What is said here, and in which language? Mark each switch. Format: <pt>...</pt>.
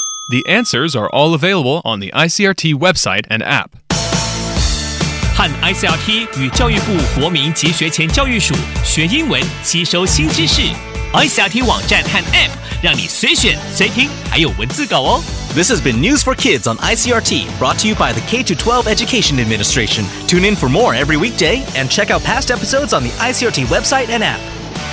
<en>The answers are all available on the ICRT website and app.</en> <zh>和 ICRT 与教育部国民及学前教育署学英文，吸收新知识。 ICRT 网站和 APP， 让你随选随听，还有文字稿哦。</zh> <en>This has been News for Kids on ICRT, brought to you by the K-12 Education Administration. Tune in for more every weekday and check out past episodes on the ICRT website and app.</en>